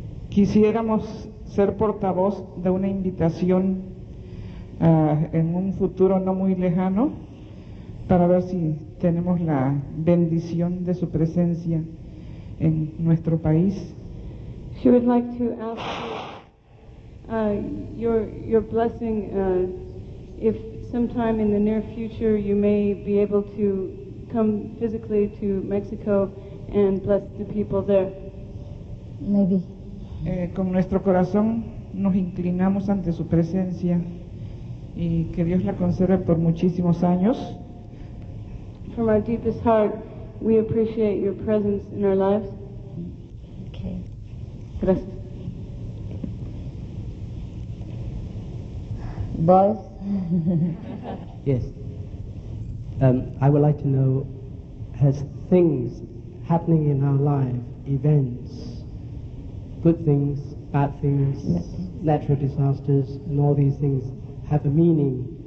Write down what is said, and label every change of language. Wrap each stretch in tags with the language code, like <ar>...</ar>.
<es>Quisiéramos ser portavoz de una invitación、en un futuro no muy lejano para ver si tenemos la bendición de su presencia en nuestro país.</es> <en>She would like to ask you,、your blessing、if sometime in the near future you may be able to come physically to Mexico and bless the people there. Maybe.</en> <es>Con nuestro corazón nos inclinamos ante su presencia y que Dios la conserve por muchísimos años.</es> <en>From our deepest heart, we appreciate your presence in our lives. Okay.</en> <es>Gracias.</es> <en>Boys? Yes. I would like to know, has things happening in our life, events, good things, bad things, natural disasters, and all these things have a meaning?</en>